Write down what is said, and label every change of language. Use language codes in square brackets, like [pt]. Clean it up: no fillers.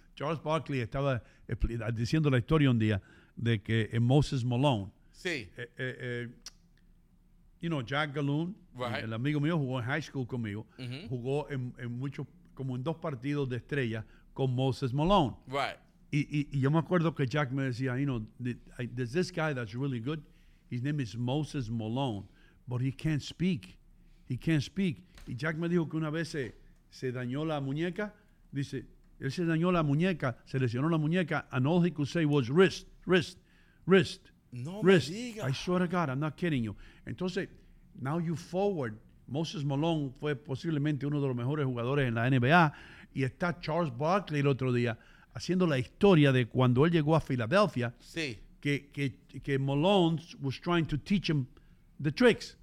[es] Charles Barkley estaba diciendo la historia un día de que Moses Malone. Sí. [en] You know, Jack Galoon, right. [es] El amigo mío jugó en high school conmigo, mm-hmm. jugó en muchos, como en dos partidos de estrella con Moses Malone. [en] Right. [es] Y yo me acuerdo que Jack me decía, [en] you know, there's this guy that's really good. His name is Moses Malone, but he can't speak. He can't speak. [es] Y Jack me dijo que una vez se dañó la muñeca. Dice, él se dañó la muñeca, se lesionó la muñeca, [en] and all he could say was wrist. [es] No [en] wrist. [es] Me diga. [en] I swear to God, I'm not kidding you. [es] Entonces, [en] now you forward. [es] Moses Malone fue posiblemente uno de los mejores jugadores en la NBA. Y está Charles Barkley el otro día haciendo la historia de cuando él llegó a Filadelfia. Sí. Que [en] Malone was trying to teach him the tricks.